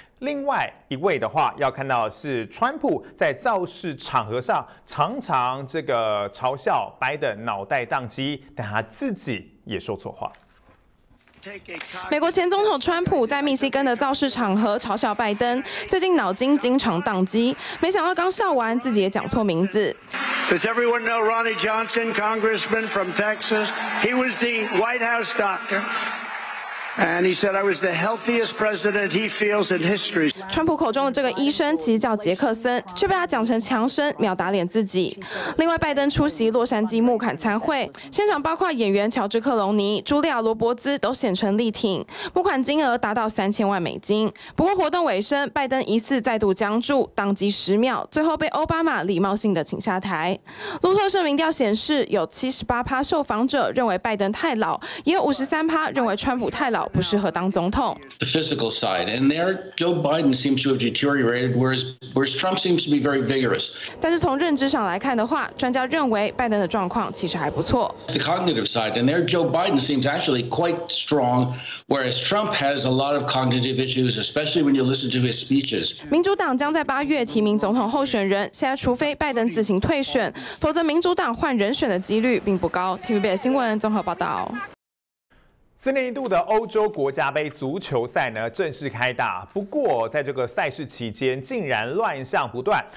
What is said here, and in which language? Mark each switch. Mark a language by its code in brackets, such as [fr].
[zh] 另外一位的话，要看到是川普在造势场合上常常这个嘲笑拜登脑袋宕机，但他自己也说错话。美国前总统川普在密西根的造势场合嘲笑拜登最近脑筋经常宕机，没想到刚笑完自己也讲错名字。 [en] Does everyone know Ronnie Johnson, congressman from Texas? He was the White House doctor. And he said, "I was the healthiest president he feels in history." [zh] 川普口中的这个医生其实叫杰克森，却被他讲成强生，秒打脸自己。另外，拜登出席洛杉矶募款参会，现场包括演员乔治·克隆尼、茱莉亚·罗伯兹都显成力挺，募款金额达到$3,000,000。不过，活动尾声，拜登疑似再度僵住，宕机十秒，最后被奥巴马礼貌性的请下台。路透社民调显示，有78%受访者认为拜登太老，也有53%认为川普太老。不适合当总统。 [en] The physical side, and there Joe Biden seems to have deteriorated, whereas Trump seems to be very vigorous. [zh] 但是从认知上来看的话，专家认为拜登的状况其实还不错。 [en] The cognitive side, and there Joe Biden seems actually quite strong, whereas Trump has a lot of cognitive issues, especially when you listen to his speeches. [zh] 民主党将在八月提名总统候选人，现在除非拜登自行退选，否则民主党换人选的几率并不高。 TVBS 新闻综合报道。四年一度的欧洲国家杯足球赛呢正式开打，不过在这个赛事期间竟然乱象不断。